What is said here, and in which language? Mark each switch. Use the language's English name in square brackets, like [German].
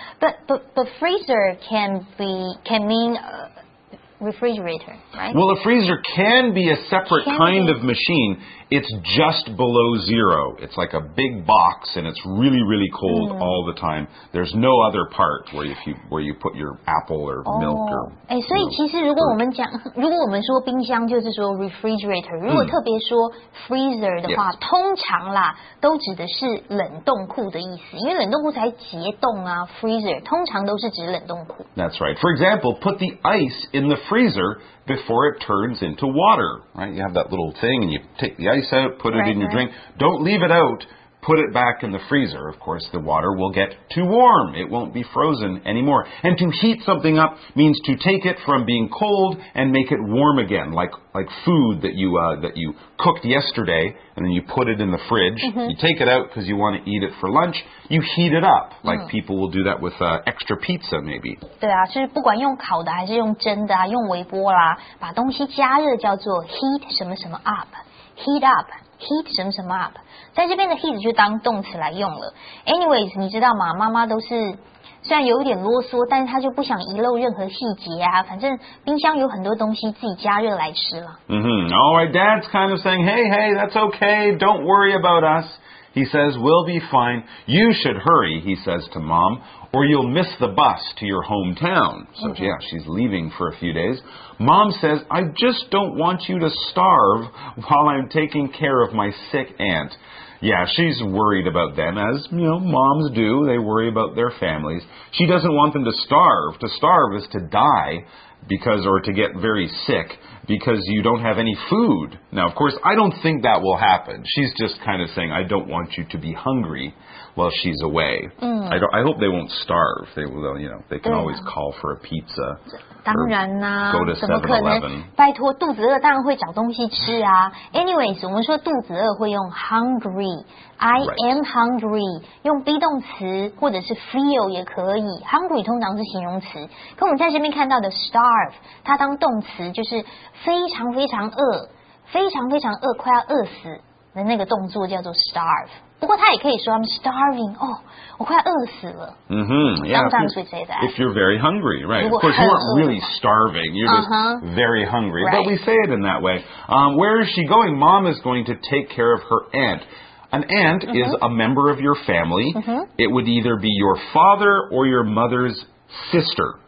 [English] But freezer can mean refrigerator, right? Well, a freezer can be a separate kind of machine. It's just below zero. It's like a big box, and it's really, really cold all the time. There's no other part where you put your apple or milk or... [Chinese] 所以其实如果我们说冰箱就是说 refrigerator, 如果特别说 freezer 的话, 通常啦, 都指的是冷冻库的意思, 因为冷冻库才结冻啊, freezer, 通常都是指冷冻库。 [English] That's right. For example, put the ice in the freezer before it turns into water, right? You have that little thing, and you take the ice out, put it in your drink. Don't leave it out. Put it back in the freezer. Of course, the water will get too warm. It won't be frozen anymore. And to heat something up means to take it from being cold and make it warm again, like food that you cooked yesterday, and then you put it in the fridge. Mm-hmm. You take it out because you want to eat it for lunch. You heat it up, like people will do that with extra pizza, maybe. [Chinese] 对啊，就是不管用烤的还是用蒸的啊，用微波啦，把东西加热叫做 heat 什么什么 up, heat up. Heat 什么什么 up， 在这边的heat就当动词来用了。Anyways， 你知道吗？妈妈都是虽然有点啰嗦，但是她就不想遗漏任何细节啊。反正冰箱有很多东西自己加热来吃了。Mm-hmm. [English] All right, Dad's kind of saying, "Hey, hey, that's okay. Don't worry about us." He says, "We'll be fine. You should hurry," he says to Mom, "or you'll miss the bus to your hometown." So yeah, she's leaving for a few days. Mom says, "I just don't want you to starve while I'm taking care of my sick aunt." Yeah, she's worried about them, as, you know, moms do. They worry about their families. She doesn't want them to starve. To starve is to die, or to get very sick, because you don't have any food. Now, of course, I don't think that will happen. She's just kind of saying, "I don't want you to be hungry while she's away." Mm. I hope they won't starve. They will, you know, they can always call for a pizza. [Chinese] 当然啦, [English] go to 7-Eleven. [Chinese] 拜托肚子饿当然会找东西吃啊。Anyways, 我们说肚子饿会用 hungry. [English] I am hungry. [Chinese] 用 be 动词 或者是 feel 也可以。Hungry 通常是形容词。可我们在这边看到的 starve， 它当动词就是非常非常饿，快要饿死的那个动作叫做 starve。 [English] 不过他也可以说 I'm starving. [Chinese] Oh, 我快饿死了. [English] Mm-hmm. Yeah. Sometimes we say that. If you're very hungry, right? Of course, you aren't really starving. You're just very hungry. Right. But we say it in that way. Where is she going? Mom is going to take care of her aunt. An aunt is a member of your family. Mm-hmm. It would either be your father or your mother's sister.